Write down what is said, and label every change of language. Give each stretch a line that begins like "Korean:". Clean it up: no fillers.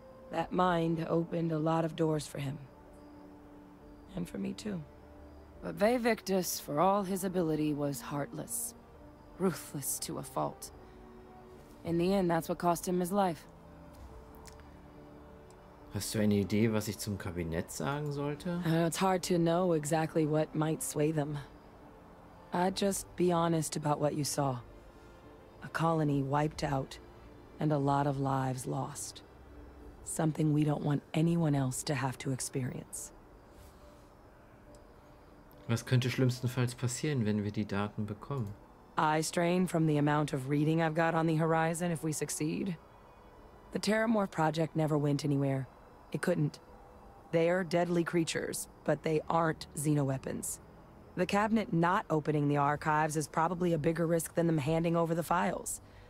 English: That mind opened a lot of doors for him. And for me, too. But Ve Victus, for all his ability, was heartless, ruthless to a fault. In the end, that's what cost him his life.
German: Hast du eine Idee, was ich zum Kabinett sagen sollte?
English: It's hard to know exactly what might sway them. I'd just be honest about what you saw. A colony wiped out, and a lot of lives lost. Something we don't want anyone else to have to experience.
German: Was könnte schlimmstenfalls passieren, wenn wir die Daten bekommen?
English: Eye strain from the amount of reading I've got on the horizon if we succeed. The Terramorph project never went anywhere. It couldn't. They're deadly creatures, but they aren't xenoweapons. The cabinet not opening the archives is probably a bigger risk than them handing over the files.